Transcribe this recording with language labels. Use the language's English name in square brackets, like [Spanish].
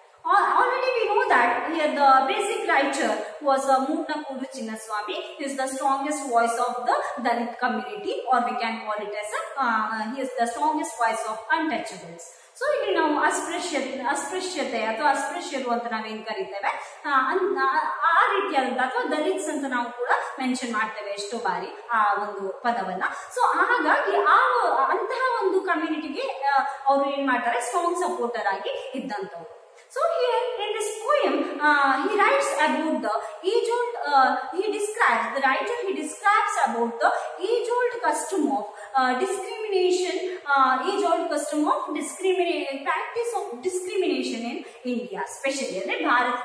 [English] Already we know that here the basic writer was Moonakudu Chinnaswamy. He is the strongest voice of the Dalit community, or we can call it as he is the strongest voice of untouchables. [Kannada] So ಇಲ್ಲಿ ನಾವು ಅಸ್ಪೃಶ್ಯತೆ ಅಥವಾ ಅಸ್ಪೃಶ್ಯರು ಅಂತ ನಾವೇನ್ ಕರಿತೇವೆ ಆ ರೀತಿಯಾದಂತಹ ಅಥವಾ ದಲಿತ್ಸ್ ಅಂತ ನಾವು ಕೂಡ ಮೆನ್ಷನ್ ಮಾಡ್ತೇವೆ ಎಷ್ಟೋ ಬಾರಿ ಆ ಒಂದು ಪದವನ್ನ. ಸೊ ಹಾಗಾಗಿ ಆ ಅಂತಹ ಒಂದು ಕಮ್ಯುನಿಟಿಗೆ ಅವರು ಏನ್ ಮಾಡ್ತಾರೆ ಸ್ಟ್ರಾಂಗ್ ಸಪೋರ್ಟರ್ ಆಗಿ ಇದ್ದಂತವ್ರು. [English] So here in this poem, he writes about the age-old. The writer describes about the age-old custom of discrimination. Age-old custom of discrimination, practice of discrimination in India, especially in Bharat.